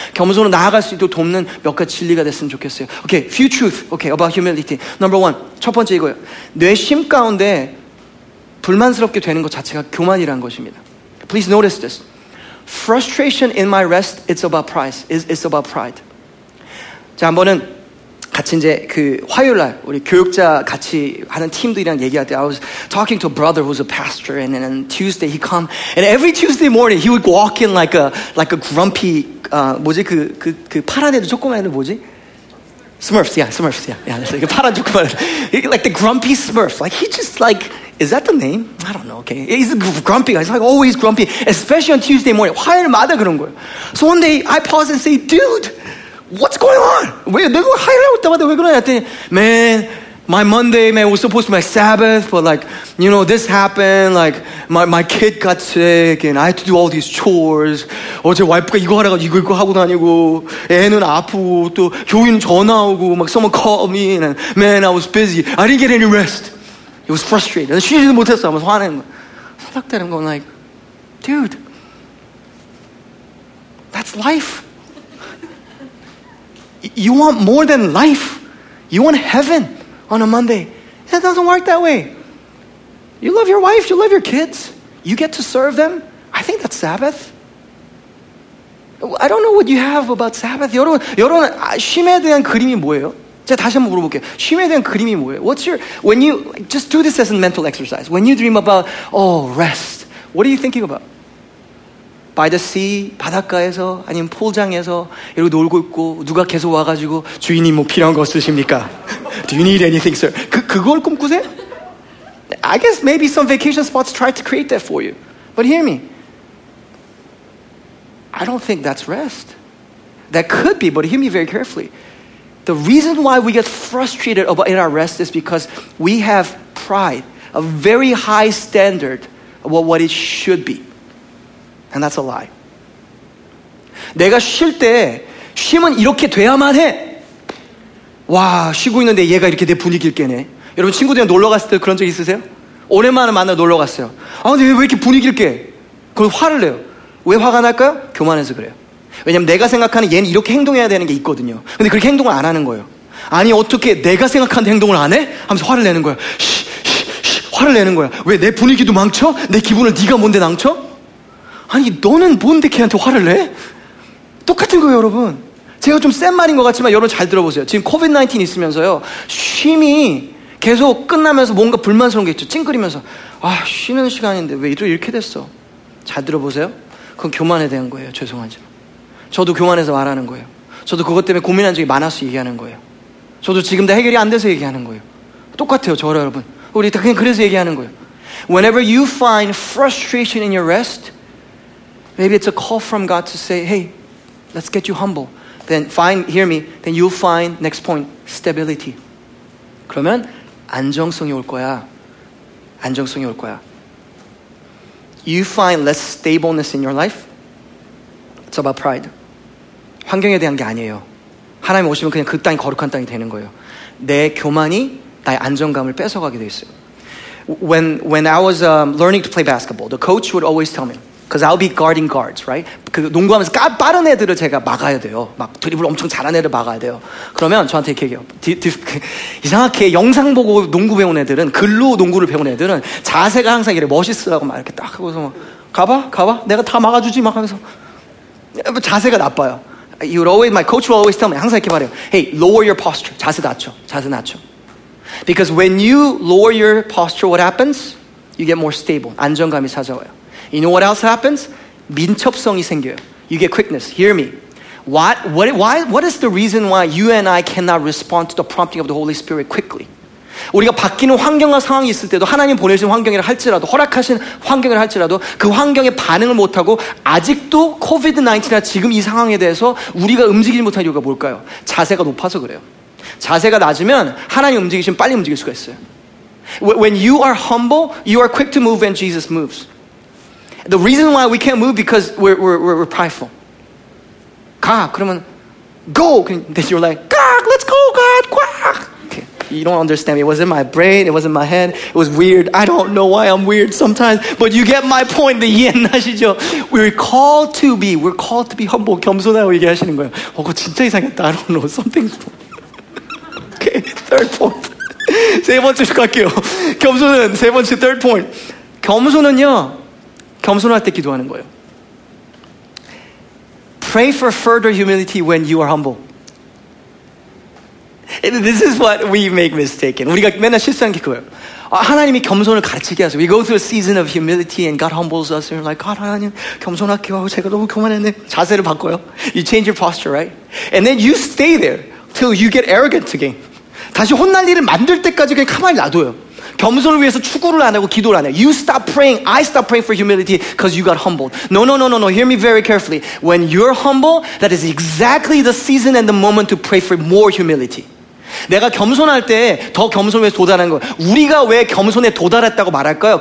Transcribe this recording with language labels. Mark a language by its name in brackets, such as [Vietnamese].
[Korean] 겸손으로 나아갈 수 있도록 돕는 몇 가지 진리가 됐으면 좋겠어요. [English] Okay, few truths okay, about humility. Number one, [Korean] 첫 번째 이거예요. 뇌심 가운데 불만스럽게 되는 것 자체가 교만이라는 것입니다. [English] Please notice this. Frustration in my rest, it's about pride. [Korean] 자, 한번은 같이 이제 그 화요일날 우리 교육자 같이 하는 팀들이랑 얘기할 때 [English] I was talking to a brother who's a pastor and then on Tuesday he come and every Tuesday morning he would walk in like a grumpy [Korean] 뭐지 그 파란 애들 조그만 애들 뭐지? [English] Smurfs, [Korean] 파란 조그만 애들 [English] like the grumpy Smurf like he just like Is that the name? I don't know, okay. He's a grumpy guy. He's like always grumpy, especially on Tuesday morning. [Korean] 화요일마다 그런 거예요. [English] So one day, I pause and say, Dude, what's going on? [Korean] 왜, 내가 화요일에 올 때마다 왜 그러냐? 했더니, [English] Man, my Monday, man, was supposed to be my Sabbath, but like, you know, this happened, like, my kid got sick, and I had to do all these chores. [Korean] 어제 와이프가 이거 하라고 이거 하고 다니고, 애는 아프고, 또 교인 전화 오고, 막 [English] someone called me, and man, I was busy. I didn't get any rest. It was frustrated. [Korean] 쉬지도 못했어. 하면서 화내는 거. 생각되는 건 [English] like, dude, that's life. You want more than life. You want heaven on a Monday. It doesn't work that way. You love your wife. You love your kids. You get to serve them. I think that's Sabbath. I don't know what you have about Sabbath. [Korean] 여러분 쉼에 대한 그림이 뭐예요? 제가 다시 한번 물어볼게요. 쉼에 대한 그림이 뭐예요? [English] What's your, when you, just do this as a mental exercise. When you dream about, oh, rest, what are you thinking about? By the sea, [Korean] 바닷가에서, 아니면 폴장에서, 이러고 놀고 있고, 누가 계속 와가지고, 주인님 뭐 필요한 거 있으십니까? [English] Do you need anything, sir? [Korean] 그걸 꿈꾸세요? [English] I guess maybe some vacation spots try to create that for you. But hear me. I don't think that's rest. That could be, but hear me very carefully. The reason why we get frustrated about in our rest is because we have pride, a very high standard of what it should be. And that's a lie. [Korean] 내가 쉴 때 쉼은 이렇게 돼야만 해. 와, 쉬고 있는데 얘가 이렇게 내 분위기를 깨네. 여러분 친구들이랑 놀러 갔을 때 그런 적 있으세요? 오랜만에 만나 놀러 갔어요. 아, 근데 왜 이렇게 분위기를 깨? 그럼 화를 내요. 왜 화가 날까요? 교만해서 그래요. 왜냐면 내가 생각하는 얘는 이렇게 행동해야 되는 게 있거든요. 근데 그렇게 행동을 안 하는 거예요. 아니 어떻게 내가 생각하는 행동을 안 해? 하면서 화를 내는 거야. 화를 내는 거야. 왜 내 분위기도 망쳐? 내 기분을 네가 뭔데 망쳐? 아니 너는 뭔데 걔한테 화를 내? 똑같은 거예요 여러분. 제가 좀 센 말인 것 같지만 여러분 잘 들어보세요. 지금 COVID-19 있으면서요 쉼이 계속 끝나면서 뭔가 불만스러운 게 있죠. 찡그리면서 아 쉬는 시간인데 왜 이렇게 됐어? 잘 들어보세요. 그건 교만에 대한 거예요. 죄송하지만 저도 교만해서 말하는 거예요. 저도 그것 때문에 고민한 적이 많아서 얘기하는 거예요. 저도 지금 다 해결이 안 돼서 얘기하는 거예요. 똑같아요 저 여러분. 우리 다 그냥 그래서 얘기하는 거예요. [English] Whenever you find frustration in your rest, maybe it's a call from God to say, hey, let's get you humble. Then find, hear me, then you'll find, next point, stability. [Korean] 그러면 안정성이 올 거야. 안정성이 올 거야. [English] You find less stableness in your life, it's about pride. [Korean] 환경에 대한 게 아니에요. 하나님 오시면 그냥 그 땅이 거룩한 땅이 되는 거예요. 내 교만이 나의 안정감을 뺏어가게 돼 있어요. [English] When I was learning to play basketball, the coach would always tell me, because I'll be guarding guards, right? [Korean] 그 농구하면서 빠른 애들을 제가 막아야 돼요. 막 드리블 엄청 잘하는 애들 막아야 돼요. 그러면 저한테 이렇게 얘기해요. 이상하게 영상 보고 농구 배운 애들은, 글로 농구를 배운 애들은 자세가 항상 이렇게 멋있으라고 막 이렇게 딱 하고서 막, 가봐. 내가 다 막아주지 막 하면서. 자세가 나빠요. [English] He would always, my coach would always tell me, [Korean] 항상 이렇게 말해요. [English] Hey, lower your posture. [Korean] 자세 낮춰. 자세 낮춰. [English] Because when you lower your posture, what happens? You get more stable. [Korean] 안정감이 찾아와요. [English] You know what else happens? [Korean] 민첩성이 생겨요. [English] You get quickness. Hear me. What is the reason why you and I cannot respond to the prompting of the Holy Spirit quickly? [Korean] 우리가 바뀌는 환경과 상황이 있을 때도 하나님 보내신 환경이라 할지라도 허락하신 환경을 할지라도 그 환경에 반응을 못하고 아직도 COVID-19나 지금 이 상황에 대해서 우리가 움직이지 못한 이유가 뭘까요? 자세가 높아서 그래요. 자세가 낮으면 하나님 움직이시면 빨리 움직일 수가 있어요. [English] When you are humble, you are quick to move and Jesus moves. The reason why we can't move because we're prideful. [Korean] 가! 그러면 [English] go! Then you're like, God, let's go, God! Quack! You don't understand me. It wasn't my brain. It wasn't my head. It was weird. I don't know why I'm weird sometimes. But you get my point. The [Korean] 이해하시죠? [English] We're called to be humble. [Korean] 겸손하고 얘기하시는 거예요. 어, 그거 진짜 이상했다. [English] I don't know. Something's wrong. Okay, third point. [Korean] 세 번째로 갈게요. 겸손은 세 번째, [English] third point. [Korean] 겸손은요. 겸손할 때 기도하는 거예요. [English] Pray for further humility when you are humble. And this is what we make mistaken. [Korean] 우리가 맨날 실수한 게 그거예요. 아, 하나님이 겸손을 가르치게 하세요. [English] We go through a season of humility and God humbles us. And we're like, God, [Korean] 하나님, 겸손할게요. 하고 제가 너무 교만했네. 자세를 바꿔요. [English] You change your posture, right? And then you stay there till you get arrogant again. [Korean] 다시 혼날 일을 만들 때까지 그냥 가만히 놔둬요. 겸손을 위해서 추구를 안 하고 기도를 안 해요. [English] You stop praying. I stop praying for humility because you got humbled. No. Hear me very carefully. When you're humble, that is exactly the season and the moment to pray for more humility. [Korean] 내가 겸손할 때 더 겸손에 도달한 거. 우리가 왜 겸손에 도달했다고 말할까요?